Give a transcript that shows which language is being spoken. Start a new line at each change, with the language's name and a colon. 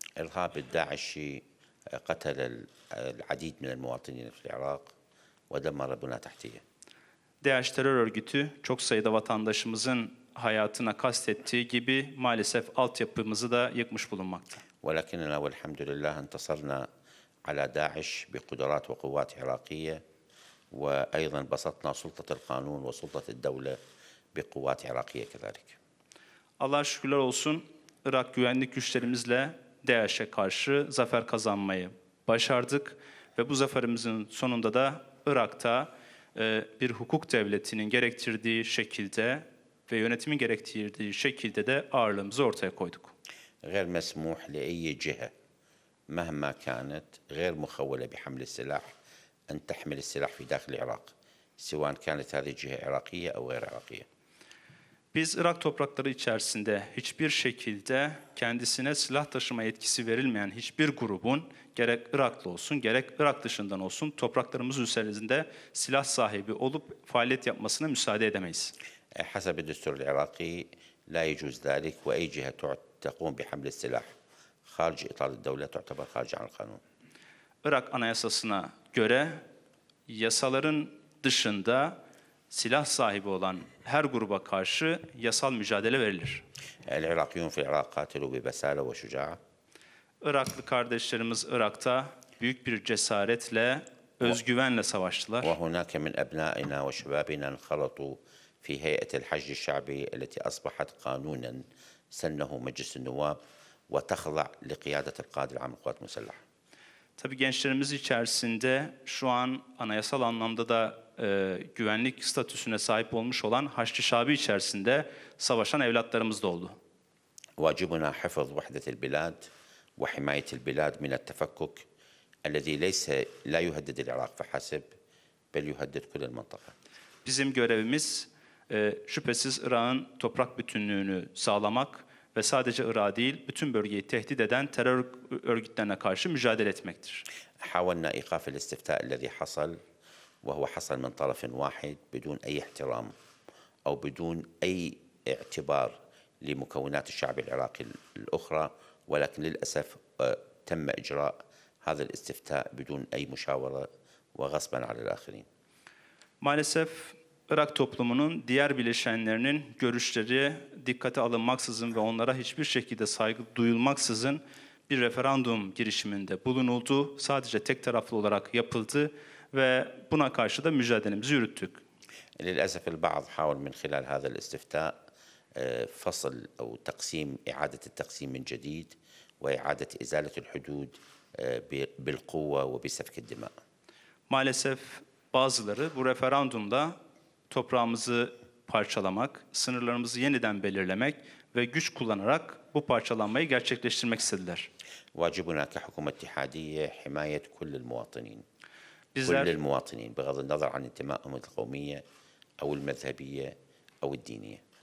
Arabic: إرهاب الداعشي قتل العديد من المواطنين في العراق ودمر بنى تحتية.
Turkish: DAEŞ terör örgütü çok sayıda vatandaşımızın hayatına kastettiği gibi maalesef altyapımızı da yıkmış bulunmakta.
Arabic: ولكننا والحمد لله انتصرنا على داعش بقدرات وقوات عراقية وأيضا بسطنا سلطة القانون وسلطة الدولة بقوات عراقية كذلك.
Turkish: Allah'a şükürler olsun. Irak güvenlik güçlerimizle DAEŞ'e karşı zafer kazanmayı başardık ve bu zaferimizin sonunda da Irak'ta bir hukuk devletinin gerektirdiği şekilde ve yönetimin gerektirdiği şekilde de ağırlığımızı ortaya koyduk.
Arabic: غير مسموح لأي جهة مهما كانت غير مخولة بحمل السلاح أن تحمل السلاح في داخل العراق سواء كانت هذه الجهة عراقية أو غير عراقية.
Turkish: Biz Irak toprakları içerisinde hiçbir şekilde kendisine silah taşıma yetkisi verilmeyen hiçbir grubun gerek Iraklı olsun gerek Irak dışından olsun topraklarımız üzerinde silah sahibi olup faaliyet yapmasına müsaade edemeyiz.
Arabic: حسب الدستور العراقي لا يجوز ذلك وأي جهة تقوم بحمل السلاح خارج إطار الدولة تعتبر خارج عن القانون.
Turkish: Irak anayasasına göre yasaların dışında silah sahibi olan her gruba karşı yasal mücadele verilir.
Arabic: العراقيون في العراق قاتلوا ببسالة وشجاعة.
Turkish: Iraklı kardeşlerimiz Irak'ta büyük bir cesaretle, özgüvenle savaştılar.
Arabic: وهناك من أبنائنا وشبابنا انخرطوا في هيئة الحشد الشعبي التي أصبحت قانونا سنه مجلس النواب وتخضع لقيادة القائد العام للقوات المسلحة.
Turkish: Tabii gençlerimiz içerisinde şu an anayasal anlamda da güvenlik statüsüne sahip olmuş olan Haçlı Şabi içerisinde savaşan evlatlarımız da oldu.
Arabic: واجبنا حفظ وحدة البلاد وحماية البلاد من التفكك الذي ليس لا يهدد العراق فحسب بل يهدد كل المنطقة.
Turkish: Bizim görevimiz şüphesiz Irak'ın toprak bütünlüğünü sağlamak ve sadece Irak değil bütün bölgeyi tehdit eden terör örgütlerine karşı mücadele etmektir.
Arabic: حاولنا إيقاف الاستفتاء الذي حصل وهو حصل من طرف واحد بدون أي احترام أو بدون أي اعتبار لمكونات الشعب العراقي الأخرى ولكن للأسف تم إجراء هذا الاستفتاء بدون أي مشاورة وغصبا على الآخرين.
Turkish: Maalesef Irak toplumunun diğer bileşenlerinin görüşleri dikkate alınmaksızın ve onlara hiçbir şekilde saygı duyulmaksızın bir referandum girişiminde bulunuldu. Sadece tek taraflı olarak yapıldı ve buna karşı da mücadelemizi yürüttük.
Arabic: للأسف البعض حاول من خلال هذا الاستفتاء فصل أو تقسيم إعادة التقسيم من جديد وإعادة إزالة الحدود بالقوة وبسفك الدماء.
Turkish: Maalesef bazıları bu referandumda toprağımızı parçalamak, sınırlarımızı yeniden belirlemek ve güç kullanarak bu parçalanmayı gerçekleştirmek istediler.
Arabic: واجبنا كحكومة اتحادية حماية كل المواطنين. كل المواطنين بغض النظر عن انتمائهم القومية أو المذهبية أو الدينية.